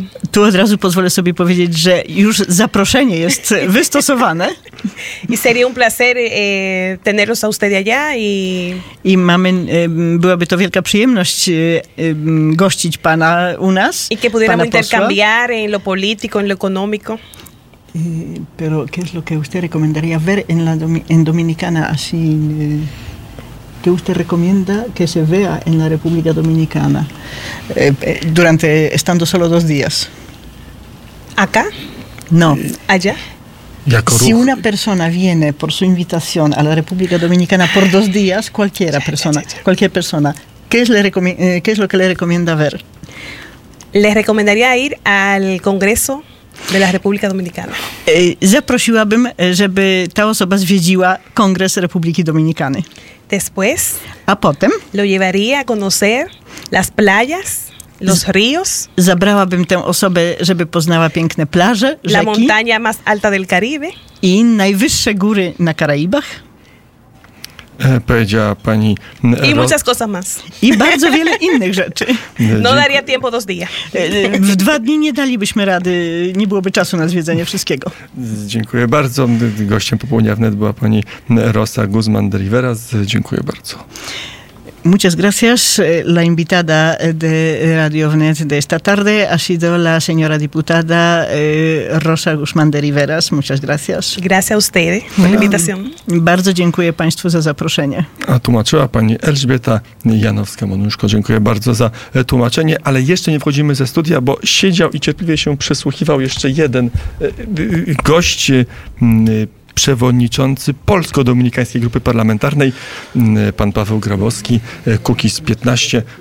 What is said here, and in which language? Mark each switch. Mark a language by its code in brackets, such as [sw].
[pl] Tu od razu pozwolę sobie powiedzieć, że już zaproszenie jest wystosowane. [es] I sería un placer tenerlos a usted allá [pl] i mamy, byłaby to wielka przyjemność gościć pana u nas. [es] I que pudiéramos intercambiar en lo político, en lo económico. Pero qué es lo que usted recomendaría ver en Dominicana así ¿Qué usted recomienda que se vea en la República Dominicana durante estando solo 2 días? ¿Acá? No. ¿Allá? Si una persona viene por su invitación a la República Dominicana por 2 días, cualquier persona, ¿qué es lo que le recomienda ver? Le rekomendaría ir al Kongreso de la República Dominicana. [pl] Zaprosiłabym, żeby ta osoba zwiedziła Kongres Republiki Dominikany. [es] Después, [pl] a potem [es] lo llevaría a conocer las playas, los ríos. [pl] Zabrałabym tę osobę, żeby poznała piękne plaże, rzeki. [es] La montaña más alta del Caribe. [pl] I najwyższe góry na Karaibach. Powiedziała pani... [es] I muchas cosas más. [pl] I bardzo wiele innych rzeczy. [es] No daría tiempo dos días. [pl] W dwa dni nie dalibyśmy rady, nie byłoby czasu na zwiedzenie wszystkiego. Dziękuję bardzo. Gościem Popołudnia Wnet była pani Rosa Guzman de Rivera. Dziękuję bardzo. [es] Muchas gracias. La invitada de Radio Vnet de esta tarde ha sido la señora diputada Rosa Guzmán de Riveras. Muchas gracias. Gracias a usted por la invitación. [pl] Bardzo dziękuję państwu za zaproszenie. A tłumaczyła pani Elżbieta Janowska-Monuszko. Dziękuję bardzo za tłumaczenie, ale jeszcze nie wchodzimy ze studia, bo siedział i cierpliwie się przysłuchiwał jeszcze jeden gość, przewodniczący Polsko-Dominikańskiej Grupy Parlamentarnej, pan Paweł Grabowski, Kukiz 15.